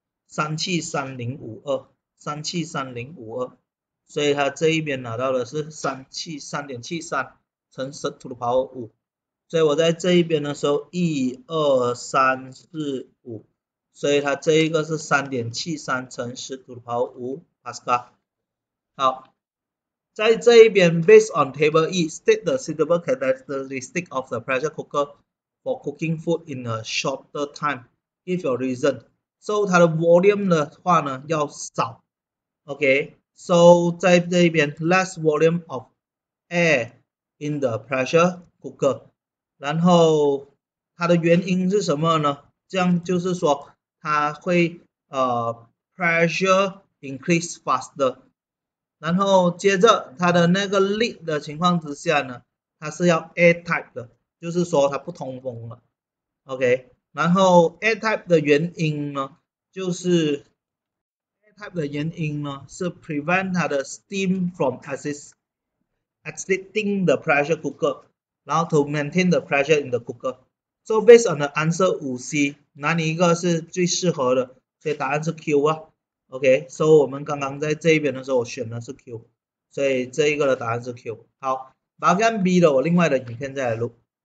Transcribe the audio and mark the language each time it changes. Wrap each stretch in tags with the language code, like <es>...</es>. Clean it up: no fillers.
<zh>，37,3052，37,3052，所以它这一边拿到的是37,3.73乘10^5，所以我在这一边的时候，12345，所以它这一个是3.73乘10^5。</zh> <en>Pascal，</en> <zh>好，在这一边，</zh> <en>based on table E，state the suitable characteristic of the pressure cooker for cooking food in a shorter time. Give your reason.</en> <zh>So 它的 volume 的话呢，要少。</zh> <en>OK，so</en> <zh>在这一边，</zh> <en>less volume of air in the pressure cooker。</en> <zh>然后它的原因是什么呢？这样就是说它会</zh> <en>pressure increase faster，</en> <zh>然后接着它的那个 lid 的情况之下呢，它是要 airtight 的，就是说它不通风了。 OK，然后 airtight 的原因呢，就是 airtight 的原因呢是 prevent 它的 steam</zh> <en>from exiting the pressure cooker，</en> <zh>然后</zh> <en>to maintain the pressure in the cooker。 So based on the answer 5C，</en> <zh>哪里一个是最适合的？所以答案是 Q 啊。 OK，so 我们刚刚在这一边的时候，我选的是 Q，所以这一个的答案是 Q。好，把 B 的我另外的影片再来录。</zh>